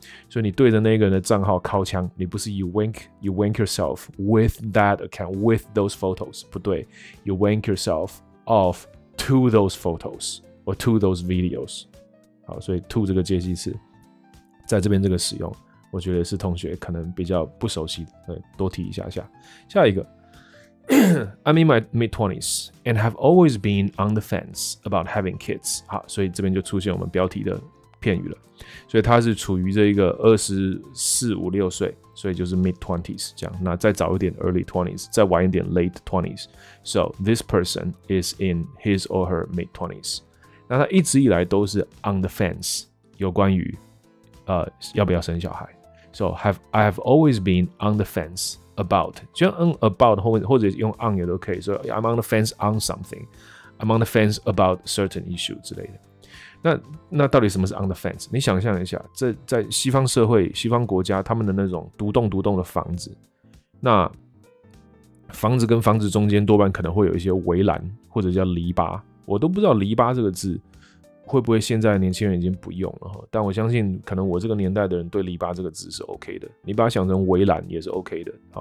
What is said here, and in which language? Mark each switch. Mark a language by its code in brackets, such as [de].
[zh] 所以你对着那个人的账号靠枪，你不是 [en] you wank yourself with that account with those photos， [zh] 不对， [en] you wank yourself off to those photos or to those videos。 [zh] 好，所以 to 这个介系词在这边这个使用，我觉得是同学可能比较不熟悉的，多提一下下。下一个 [en] I'm in my mid-twenties and have always been on the fence about having kids。 [zh] 好，所以这边就出现我们标题的片语了，所以他是处于这一个24、5、6岁，所以就是 mid-twenties 这样，那再早一点 early-twenties， 再晚一点 late-twenties。 [en] So this person is in his or her mid-twenties， [zh] 那他一直以来都是 on the fence 有关于要不要生小孩。 [en] So I have always been on the fence about， [zh] 就用 [en] about [zh] 或者用 [en] on [zh] 也都可以，所以 [en] I'm on the fence on something， I'm on the fence about certain issue [zh] 之类的。那到底什么是 on the fence？你想象一下，这在西方社会、西方国家，他们的那种独栋的房子，那房子跟房子中间多半可能会有一些围栏，或者叫篱笆。我都不知道篱笆这个字会不会现在年轻人已经不用了，但我相信可能我这个年代的人对篱笆这个字是 OK 的，你把它想成围栏也是 OK 的。